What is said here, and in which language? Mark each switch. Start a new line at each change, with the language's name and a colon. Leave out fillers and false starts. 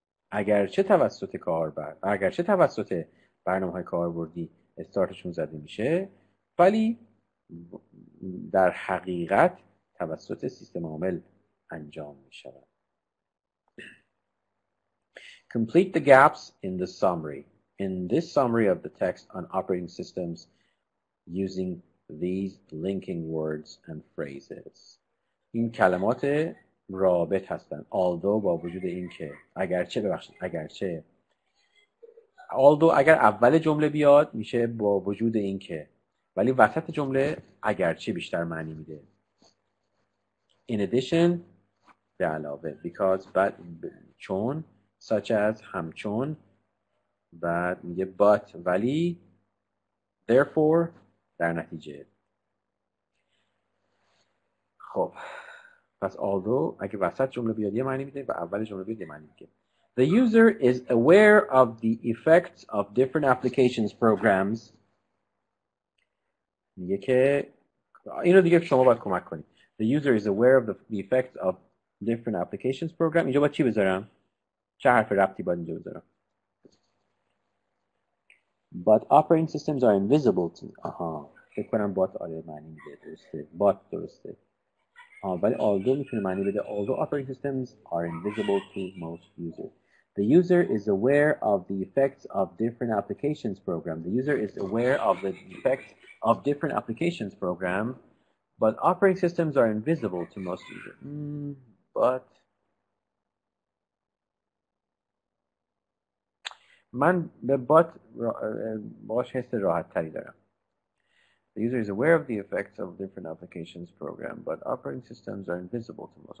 Persian: اگرچه توسط کاربر، اگرچه توسط برنامه های کاربردی استارتشون زده میشه، ولی در حقیقت توسط سیستم عامل انجام میشود.
English: Complete the gaps in the summary. In this summary of the text on operating systems using these linking words and phrases.
Persian: این کلمات رابط هستند. Although با وجود این که، اگرچه ببخشید، اگرچه. Although اگر اول جمله بیاد میشه با وجود این که، ولی وسط جمله اگرچه بیشتر معنی میده.
English: In addition
Persian: به علاوه،
English: because but
Persian: چون،
English: such as
Persian: همچون، بعد میگه but ولی، therefore در نتیجه. خب پس although اگه وسط جمله بیاد یه معنی میده و اول جمله بیاد یه معنی میده.
English: The user is aware of the effects of different applications programs.
Persian: میگه که اینو دیگه شما باید کمک کنید.
English: The user is aware of the effects of different applications program.
Persian: اینجا باید چی بذارم؟ چه حرف ربطی باید اینجا بذارم؟
English: But operating systems are invisible to.
Persian: آها فکر کنم بات آره معنی میده، درسته بات، درسته. ولی
English: although
Persian: میتونه معنی بده
English: although operating systems are invisible to most users. The user is aware of the effects of different applications program. The user is aware of the effects of different applications program, but operating systems are invisible to most users.
Persian: But من به بات باش حس راحت تری دارم.
English: The user is aware of the effects of different applications program, but operating systems are invisible to most.